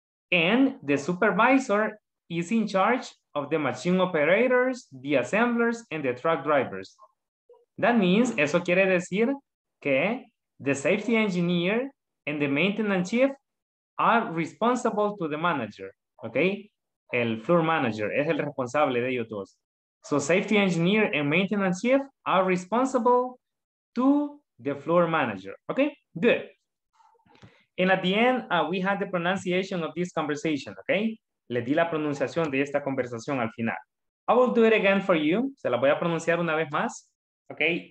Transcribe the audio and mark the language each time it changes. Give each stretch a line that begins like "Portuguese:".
English: And the supervisor is in charge of the machine operators, the assemblers, and the truck drivers. That means,
Spanish: eso quiere decir que
English: the safety engineer and the maintenance chief are responsible to the manager, okay?
Spanish: El floor manager es el responsable de ellos dos.
English: So safety engineer and maintenance chief are responsible to the floor manager, okay? Good. And at the end, we had the pronunciation of this conversation, okay?
Spanish: Le di la pronunciación de esta conversación al final.
English: I will do it again for you.
Spanish: Se la voy a pronunciar una vez más, okay?